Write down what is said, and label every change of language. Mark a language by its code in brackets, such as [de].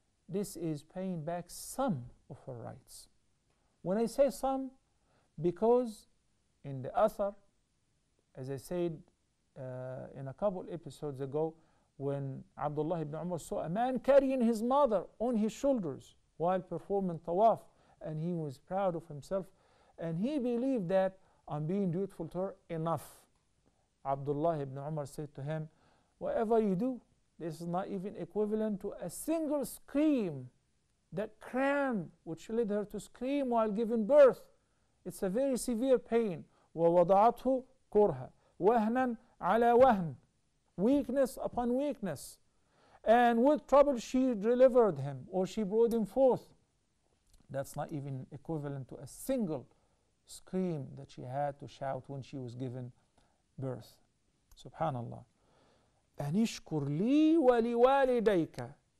[en] this is paying back some of her rights. When I say some, because in the Athar, as I said in a couple episodes ago, when Abdullah ibn Umar saw a man carrying his mother on his shoulders while performing tawaf, and he was proud of himself, and he believed that I'm being dutiful to her enough. Abdullah ibn Umar said to him, whatever you do, this is not even equivalent to a single scream, that cram which led her to scream while giving birth. It's a very severe pain. [ar] وَوَضَعَتْهُ كُرْهَا وَهْنًا عَلَى وَهْنٍ, [en] weakness upon weakness. And with trouble she delivered him, or she brought him forth. That's not even equivalent to a single scream that she had to shout when she was given birth. [ar] Subhanallah. أَنِشْكُرْ لِي وَلِوَالِدَيْكَ.